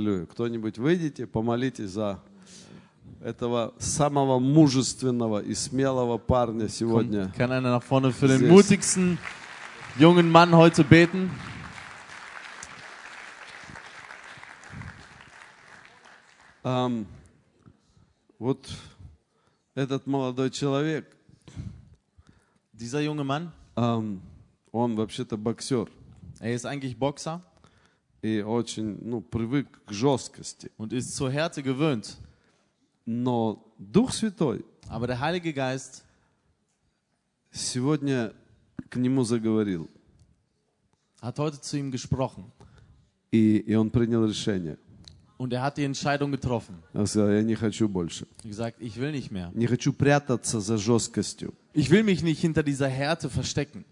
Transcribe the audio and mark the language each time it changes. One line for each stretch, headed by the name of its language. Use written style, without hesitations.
Russian: Кто-нибудь выйдите, помолитесь за этого самого мужественного и смелого парня сегодня.
German: Kann einer nach vorne für den mutigsten jungen Mann heute beten?
Russian: Вот этот молодой человек.
German: Dieser junge Mann?
Russian: Он вообще-то боксер.
German: Er ist eigentlich Boxer.
Russian: И очень, ну, привык к жесткости.
German: Und ist zur Härte gewöhnt.
Russian: Но Дух Святой.
German: Aber der Heilige Geist.
Russian: Сегодня к нему заговорил.
German: Hat heute zu ihm gesprochen.
Russian: И он принял решение.
German: Und hat die Entscheidung getroffen.
Russian: Он сказал, я не хочу больше.
German: Gesagt, ich will nicht mehr.
Russian: Не хочу прятаться за жесткостью.
German: Ich will mich nicht hinter dieser Härte verstecken.